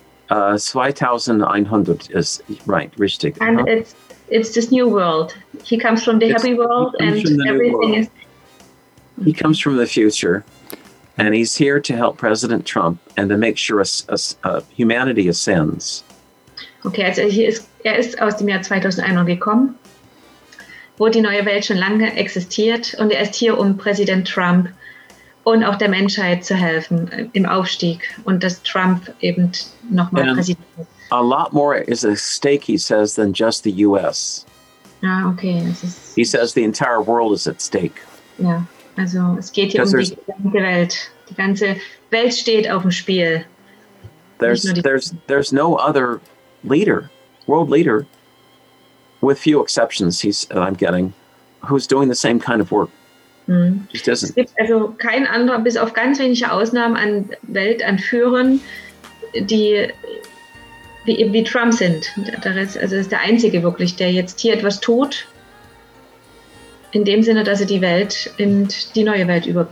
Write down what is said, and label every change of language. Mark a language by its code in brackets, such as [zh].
[en] 2100 is right, richtig. And it's this new world. He comes from the happy world and everything is... He comes from the future and he's here to help President Trump and to make sure humanity ascends. [de] Okay, also er ist aus dem Jahr 2100 gekommen, wo die neue Welt schon lange existiert und er ist hier, um Präsident Trump und auch der Menschheit zu helfen im Aufstieg und dass Trump eben nochmal Präsident ist. [en] A lot more is at stake, he says, than just the US. Ah, okay. He says the entire world is at stake. [de] Ja, also es geht hier um die ganze Welt. Die ganze Welt steht auf dem Spiel. There's no other leader, world leader, with few exceptions, I'm getting, who's doing the same kind of work. Es gibt also kein anderer, bis auf ganz wenige Ausnahmen, an Welt, an Führern, die wie Trump sind. Also ist der Einzige wirklich, der jetzt hier etwas tut, in dem Sinne, dass er die Welt in die neue Welt